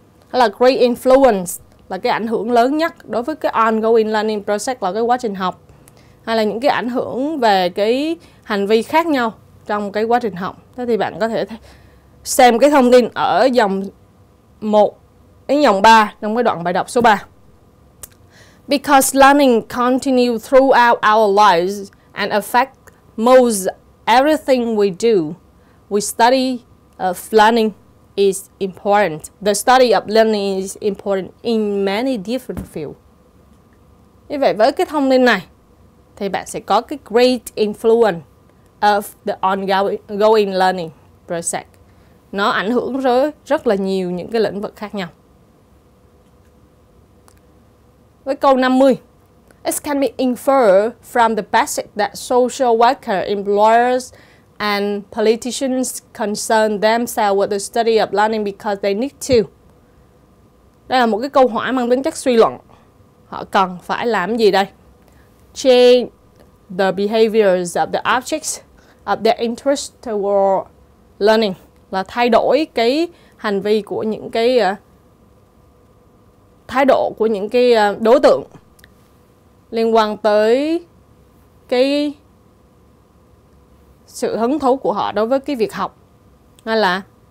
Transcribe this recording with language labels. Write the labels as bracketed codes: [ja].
[vi] Hay là [en] great influence [vi] là cái ảnh hưởng lớn nhất đối với cái [en] ongoing learning process, [vi] là cái quá trình học. Hay là những cái ảnh hưởng về cái hành vi khác nhau trong cái quá trình học. Thế thì bạn có thể xem cái thông tin ở dòng 1 đến dòng 3 trong cái đoạn bài đọc số 3. [en] Because learning continues throughout our lives and affects most everything we do, we study of learning is important. The study of learning is important in many different fields. [vi] Như vậy với cái thông tin này thì bạn sẽ có cái [en] great influence of the ongoing learning process. [vi] Nó ảnh hưởng rồi rất là nhiều những cái lĩnh vực khác nhau. Với câu 50, [en] it can be inferred from the basic that social worker, employers and politicians concern themselves with the study of learning because they need to. [vi] Đây là một cái câu hỏi mang tính chất suy luận. Họ cần phải làm gì đây? [en] Change the behaviors of the objects of their interest toward learning. [vi] Là thay đổi cái hành vi của những cái thái độ của những cái đối tượng liên quan tới cái sự hứng thú của họ đối với cái việc học. Hay là